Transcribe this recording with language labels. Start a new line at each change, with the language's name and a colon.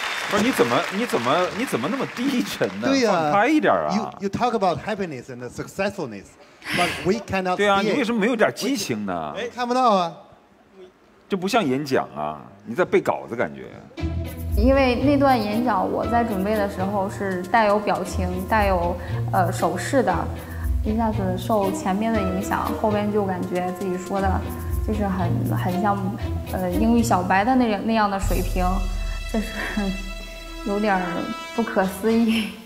Chinese: 不是你怎么那么低沉呢？对呀、啊，放开一点啊
English: ！You talk about happiness and successfulness, but we cannot.
Chinese: 对啊，你为什么没有点激情呢？哎，看不到啊，这不像演讲啊，你在背稿子感觉。因为那段演讲我在准备的时候是带有表情、带有手势的，一下子受前面的影响，后边就感觉自己说的，就是很像英语小白的那样的水平，这是有点不可思议。